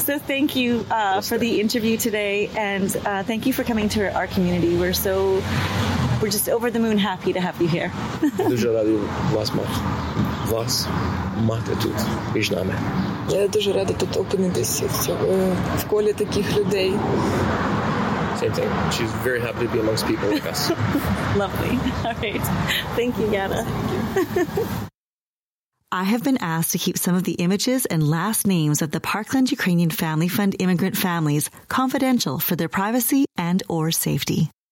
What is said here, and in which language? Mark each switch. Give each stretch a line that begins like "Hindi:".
English: So thank you for the interview today, and thank you for coming to our community. We're just over the moon happy to have you here.
Ukrainian: Дуже радий вас мати тут між нами. Я дуже рада тут опинитися в колі таких людей.
English: Same thing. She's very happy to be amongst people like us. Lovely. All right. Thank you, Yanna. Thank you. I have been asked to keep some of the images and last names of the Parkland Ukrainian Family Fund immigrant families confidential for their privacy and or safety.